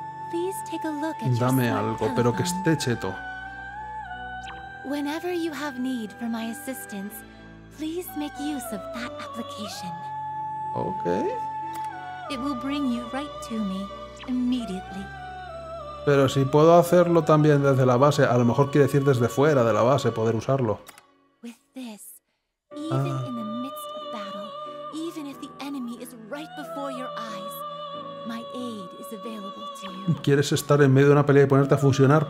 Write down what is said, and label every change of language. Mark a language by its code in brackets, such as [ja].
[en] Please take a look at [es] Dame [en] your [es] algo, pero que esté cheto. [en] Whenever you have need for my assistance, please make use of that application. Okay. It will bring you right to me immediately. [es] Pero si puedo hacerlo también desde la base, a lo mejor quiere decir desde fuera de la base poder usarlo. [en] With this, even in the midst of battle, even if the enemy is right before your eyes, my aid is available to you. [es] ¿Quieres estar en medio de una pelea y ponerte a fusionar?